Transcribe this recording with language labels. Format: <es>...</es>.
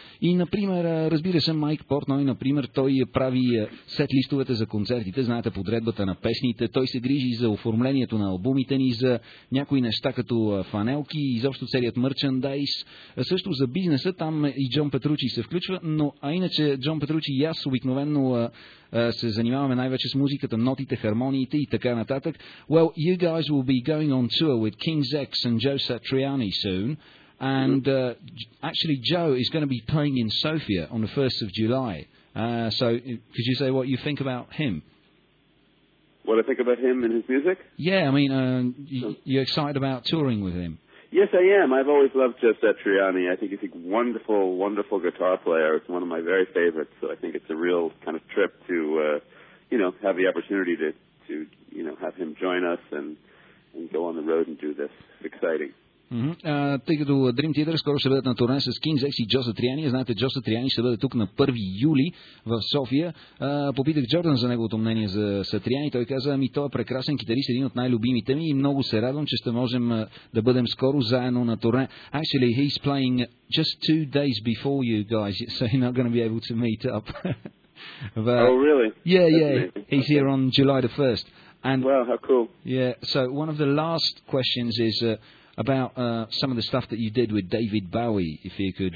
<bg>И, например, разбира се, Майк Портно, например, той прави сет листовете за концертите, знаете, подредбата на песните, той се грижи за оформлението на албумите ни, за някои неща като фанелки, изобщо целият мерчандайз, също за бизнеса, там и Джон Петручи се включва, но, а иначе Джон Петручи и аз обикновено се занимаваме най-вече с музиката, нотите, хармониите и така нататък.</bg> <en>Well, you guys will be going on tour with King's X and Joe Satriani soon. And actually, Joe is going to be playing in Sofia on the 1st of July. So could you say what you think about him? What I think about him and his music? Yeah, I mean, you're excited about touring with him. Yes, I am. I've always loved Joe Satriani. I think he's a wonderful, wonderful guitar player. It's one of my very favorites. So I think it's a real kind of trip to, you know, have the opportunity to you know, have him join us and go on the road and do this. It's exciting.</en> <bg>Тъй като Dream Theater скоро ще бъдат на турне с King's X и Джо Сатриани, знаете, Джо Сатриани ще бъде тук на 1 юли в София. Попитах Джордан за неговото мнение за Сатриани. Той каза, ами той е прекрасен китарист, един от най-любимите ми, и много се радвам, че ще можем да бъдем скоро заедно на турне.</bg> <en>Actually, he's playing just 2 days before you guys, so you're not going to be able to meet up. But, oh, really? Yeah, yeah. He's here on July the 1st. And, wow, how cool. Yeah, so one of the last questions is about some of the stuff that you did with David Bowie, if you could</en>